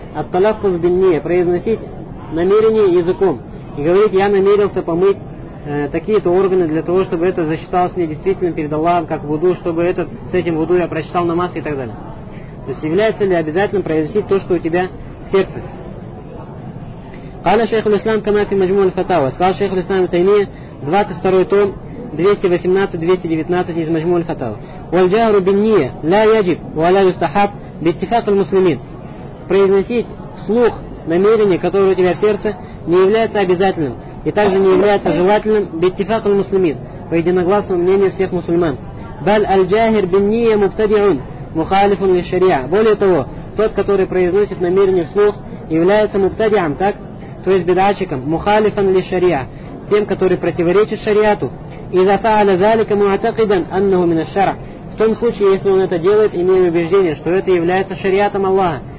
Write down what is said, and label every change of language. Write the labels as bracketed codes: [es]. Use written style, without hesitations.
[ar] Ат-талаффузу бин-ния. [ru] Произносить намерение языком. И говорить, я намерился помыть такие-то органы для того, чтобы это засчиталось мне действительно перед Аллахом, как вуду, чтобы это, с этим вуду я прочитал намаз и так далее. То есть является ли обязательным произносить то, что у тебя в сердце? [ar] قال شيخ الإسلام كما في مجموع الفتاوى. قال شيخ الإسلام تيمية 22 [ru] том 218-219 из [ar] مجموع الفتاوى. والجهر بالنية لا يجب ولا يستحب باتفاق المسلمين. [ru] Произносить вслух намерение, которое у тебя в сердце, не является обязательным и также не является желательным [ar] باتفاق المسلمين, [ru] по единогласному мнению всех мусульман. [ar] بل الجاهر بالنية مبتدع مخالف للشريعة. [ru] Более того, тот, который произносит намерение вслух, является мубтадиам, так? То есть бидачиком, [ar] мухалифан ли шария, [ru] тем, который противоречит шариату. [ar] И зафааля залика муатакидан аннаху мина шара. [ru] В том случае, если он это делает, имея убеждение, что это является шариатом Аллаха.